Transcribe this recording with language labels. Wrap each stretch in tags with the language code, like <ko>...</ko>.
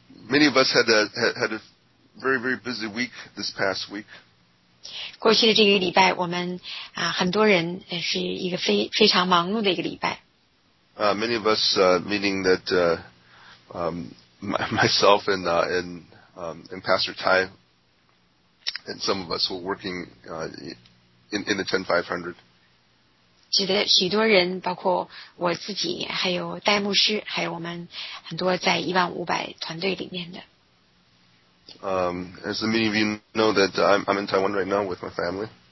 <en>Many of us had a very, very busy week this past week.</en> <zh>过去的这个礼拜我们很多人是一个非常忙碌的一个礼拜。</zh> <en>many of us, meaning that myself and Pastor Tai and some of us were working in the 10500.</en> <zh>指的许多人, 包括我自己, 还有戴牧师, 还有我们很多在1500团队里面的。</zh> <en>As many of you know that I'm in Taiwan right now with my family.</en>